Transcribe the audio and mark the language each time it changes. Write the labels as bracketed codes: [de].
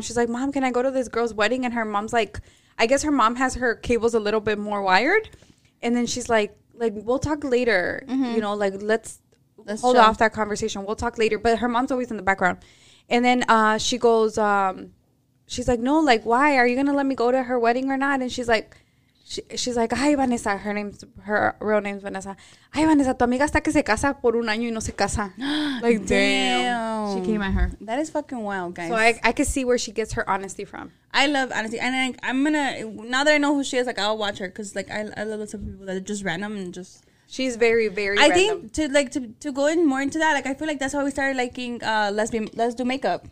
[en] She's like, Mom, can I go to this girl's wedding? And her mom's like, I guess her mom has her cables a little bit more wired. And then she's like, we'll talk later. Mm-hmm. You know, like let's hold off that conversation. We'll talk later. But her mom's always in the background. And then she goes. She's like, no, like, why? Are you going to let me go to her wedding or not? And she's like, ay, Vanessa. Her real name's Vanessa. [es] Ay, Vanessa, tu amiga está que se casa por un año y no se casa. [en] Like, damn. She came at her. That is fucking wild, guys. So I can see where she gets her honesty from. I love honesty. And I'm going to, now that I know who she is, like, I'll watch her. Because, like, I love some people that are just random and just. She's very, very random. I think to go in more into that, like I feel like that's how we started liking Let's Do Makeup.